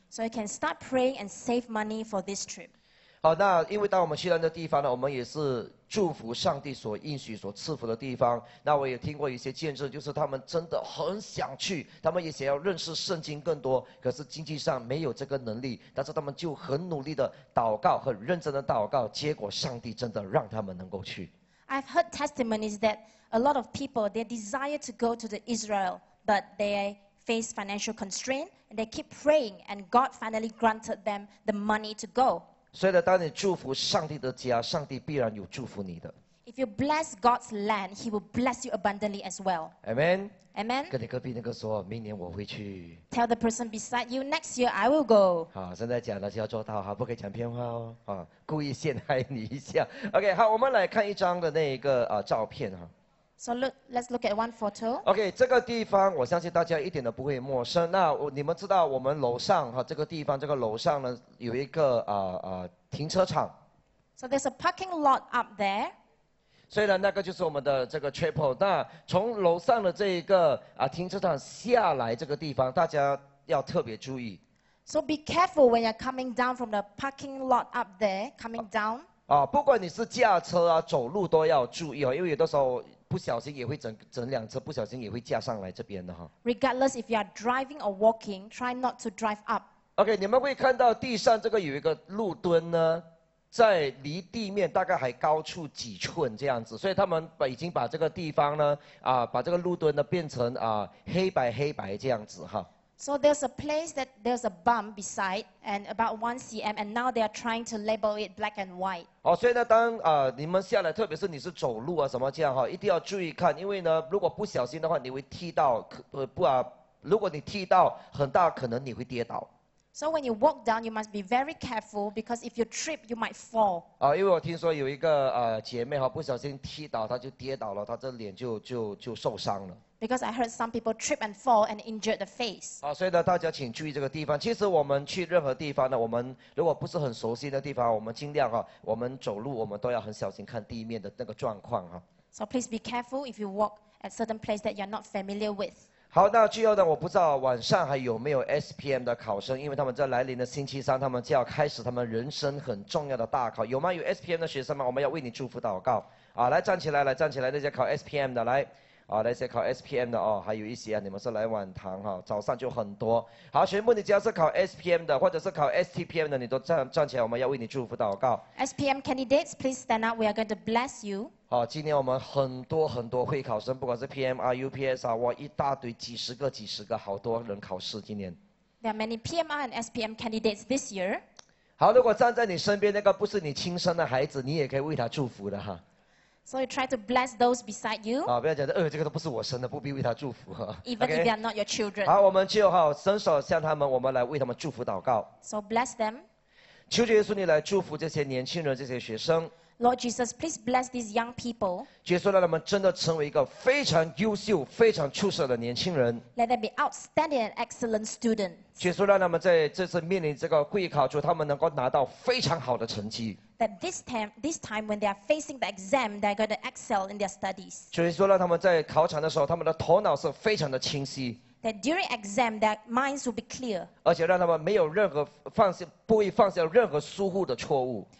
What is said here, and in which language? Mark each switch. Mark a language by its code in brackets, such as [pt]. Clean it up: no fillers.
[en] So you can start praying and save money for this trip. [zh] 好，那因为当我们去到那个地方呢，我们也是祝福上帝所应许所赐福的地方。那我也听过一些见证，就是他们真的很想去，他们也想要认识圣经更多，可是经济上没有这个能力，但是他们就很努力的祷告，很认真的祷告，结果上帝真的让他们能够去。 [en] I've heard testimonies that a lot of people they desire to go to the Israel, but they face financial constraint and they keep praying and God finally granted them the money to go. [zh] 所以呢，当你祝福上帝的家，上帝必然有祝福你的。 [en] If you bless God's land, He will bless you abundantly as well. Amen. Amen. [zh] 跟你隔壁那个说，明年我会去。 [en] Tell the person beside you, next year I will go. [zh] 好，现在讲了就要做到哈，不可以讲偏话哦。啊，故意陷害你一下。OK， 好，我们来看一张的那一个照片哈。 [en] So let's look at one photo. [zh] Okay, 这个地方我相信大家一点都不会陌生。那你们知道我们楼上哈，这个地方这个楼上呢有一个停车场。 [en] So there's a parking lot up there. [zh] 所以呢，那个就是我们的这个 chapel。那从楼上的这一个停车场下来这个地方，大家要特别注意。 [en] So be careful when you're coming down from the parking lot up there, coming down. [zh] 不管你是驾车啊，走路都要注意哦，因为有的时候不小心也会整辆车，不小心也会驾上来这边的哈。 [en] Regardless if you are driving or walking, try not to drive up. [zh] Okay, 你们会看到地上这个有一个路墩呢，在离地面大概还高出几寸这样子，所以他们已经把这个地方呢，把这个路墩呢变成黑白这样子哈。 [en] So there's a place that there's a bump beside and about 1 cm, and now they are trying to label it black and white. [zh] 所以呢，当你们下来，特别是你是走路啊什么这样哈，一定要注意看，因为呢，如果不小心的话，你会踢到如果你踢到很大，可能你会跌倒。 [en] So when you walk down, you must be very careful because if you trip, you might fall. [zh] 因为我听说有一个姐妹哈，不小心踢倒，她就跌倒了，她这脸就受伤了。 [en] Because I heard some people trip and fall and injure the face. [zh] 所以呢，大家请注意这个地方。其实我们去任何地方呢，我们如果不是很熟悉的地方，我们尽量我们走路我们都要很小心看地面的那个状况哈。 [en] So please be careful if you walk at certain place that you're not familiar with. [zh] 好，那最后呢，我不知道晚上还有没有 SPM 的考生，因为他们在来临的星期三，他们就要开始他们人生很重要的大考。有吗？有 SPM 的学生吗？我们要为你祝福祷告。来站起来，来站起来，那些考 SPM 的来。那些考 SPM 的还有一些你们是来晚堂早上就很多。好，全部你只要是考 SPM 的或者是考 STPM 的，你都站起来，我们要为你祝福祷告。 [en] SPM candidates, please stand up. We are going to bless you. [zh] 今年我们很多很多会考生，不管是 PMR、UPSR， 哇，一大堆，几十个，好多人考试今年。 [en] There are many PMR and SPM candidates this year. [zh] 好，如果站在你身边那个不是你亲生的孩子，你也可以为他祝福的哈。 [en] So you try to bless those beside you. [zh] 不要讲的，这个都不是我生的，不必为他祝福。 [en] Even if they are not your children. [zh] 好，我们就伸手向他们，我们来为他们祝福祷告。 [en] So bless them. [zh] 求主耶稣，你来祝福这些年轻人，这些学生。 [en] Lord Jesus, please bless these young people. [zh] 主耶稣，让他们真的成为一个非常优秀、非常出色的年轻人。 [en] Let them be outstanding and excellent students. [zh] 主耶稣，让他们在这次面临这个会考中，他们能够拿到非常好的成绩。 [en] That this time when they are facing the exam, they are going to excel in their studies. [zh] 主耶稣，让他们在考场的时候，他们的头脑是非常的清晰。 [en] That during exam, their minds will be clear. [zh] 而且让他们没有任何不会犯下任何疏忽的错误。